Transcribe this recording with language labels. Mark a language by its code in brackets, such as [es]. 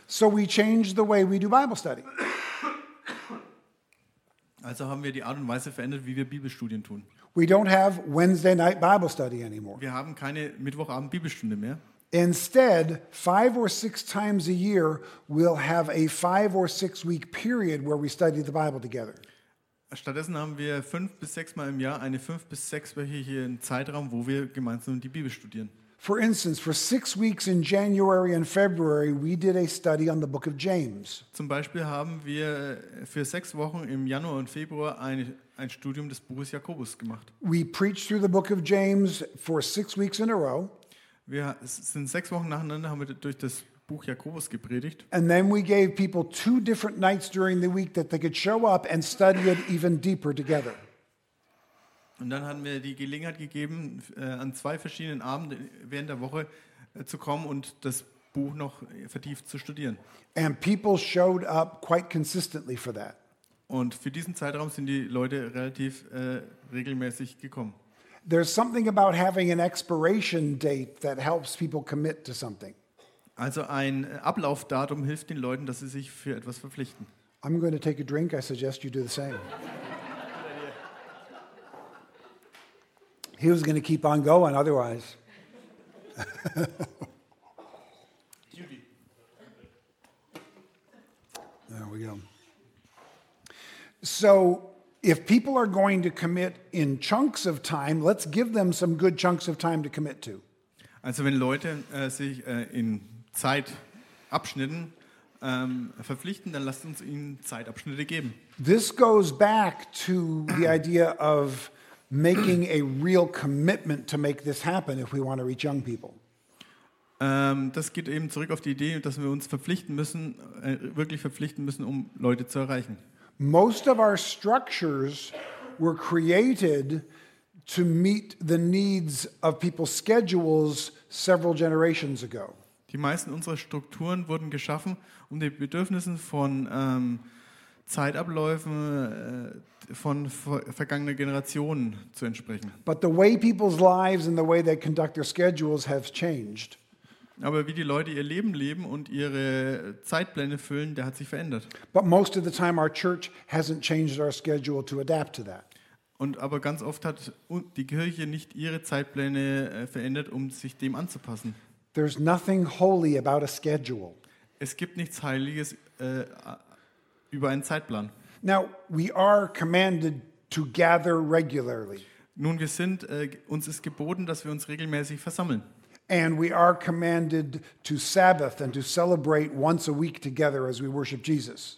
[en] So we changed the way we do Bible study. [de] Also haben wir die Art und Weise verändert, wie wir Bibelstudien tun. [en] We don't have Wednesday night Bible study anymore. [de] Wir haben keine Mittwochabend Bibelstunde mehr. [en] Instead, 5 or 6 times a year, we'll have a 5 or 6 week period where we study the Bible together. [de] Stattdessen haben wir 5 bis 6 Mal im Jahr eine 5 bis 6 wöchigen Zeitraum, wo wir gemeinsam die Bibel studieren. [en] For instance, for 6 weeks in January and February, we did a study on the book of James. [de] Zum Beispiel haben wir für 6 Wochen im Januar und Februar ein Studium des Buches Jakobus gemacht. [en] We preached through the book of James for 6 weeks in a row. [de] Wir sind 6 Wochen nacheinander haben wir durch das Buch Jakobus gepredigt. [en] And then we gave people 2 different nights during the week that they could show up and study it even deeper together. [de] Und dann haben wir die Gelegenheit gegeben, an 2 verschiedenen Abenden während der Woche zu kommen und das Buch noch vertieft zu studieren. [en] And people showed up quite consistently for that. [de] Und für diesen Zeitraum sind die Leute relativ regelmäßig gekommen. [en] There's something about having an expiration date that helps people commit to something. [de] Also ein Ablaufdatum hilft den Leuten, dass sie sich für etwas verpflichten. [en] I'm going to take a drink. I suggest you do the same. He was going to keep on going otherwise. There we go. So if people are going to commit in chunks of time, let's give them some good chunks of time to commit to. [de] Also wenn Leute sich in Zeitabschnitten verpflichten, dann lasst uns ihnen Zeitabschnitte geben. [en] This goes back to the idea of making a real commitment to make this happen if we want to reach young people. [de] Das geht eben zurück auf die Idee, dass wir uns verpflichten müssen, wirklich verpflichten müssen, um Leute zu erreichen. [en] Most of our structures were created to meet the needs of people's schedules several generations ago. [de] Die meisten unserer Strukturen wurden geschaffen, um den Bedürfnissen von Zeitabläufen von vergangenen Generationen zu entsprechen. [en] But the way people's lives and the way they conduct their schedules have changed. [de] Aber wie die Leute ihr Leben leben und ihre Zeitpläne füllen, der hat sich verändert. [en] But most of the time our church hasn't changed our schedule to adapt to that. [de] Und aber ganz oft hat die Kirche nicht ihre Zeitpläne verändert, um sich dem anzupassen. [en] There's nothing holy about a schedule. [de] Es gibt nichts Heiliges über einen Zeitplan. [en] Now we are commanded to gather regularly. [de] Nun wir sind uns ist geboten, dass wir uns regelmäßig versammeln. [en] And we are commanded to Sabbath and to celebrate once a week together as we worship Jesus.